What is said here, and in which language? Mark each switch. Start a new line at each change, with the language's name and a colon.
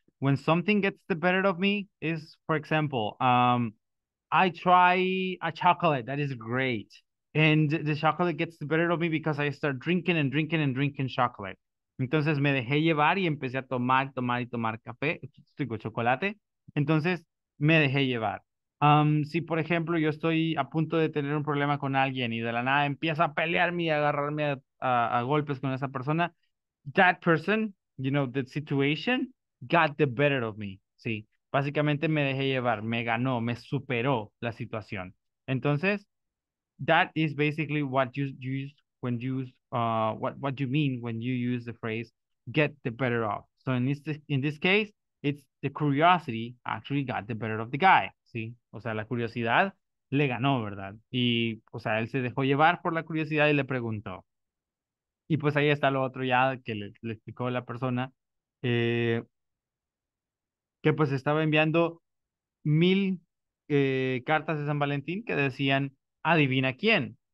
English: When something gets the better of me is, for example, I try a chocolate that is great. And the chocolate gets the better of me because I start drinking and drinking and drinking chocolate.
Spanish: Entonces me dejé llevar y empecé a tomar café, chocolate. Entonces me dejé llevar. Si, por ejemplo, yo estoy a punto de tener un problema con alguien y de la nada empieza a pelearme y a agarrarme a golpes con esa persona,
English: that person, you know, that situation got the better of me,
Spanish: ¿sí? Básicamente me dejé llevar, me ganó, me superó la situación.
English: Entonces, that is basically what you use when you use, what you mean when you use the phrase get the better of. So in this case, it's the curiosity actually got the better of the guy.
Spanish: Sí, o sea, la curiosidad le ganó, ¿verdad? Y, o sea, él se dejó llevar por la curiosidad y le preguntó. Y pues ahí está lo otro ya que le explicó la persona, que pues estaba enviando 1,000 cartas de San Valentín que decían, adivina quién.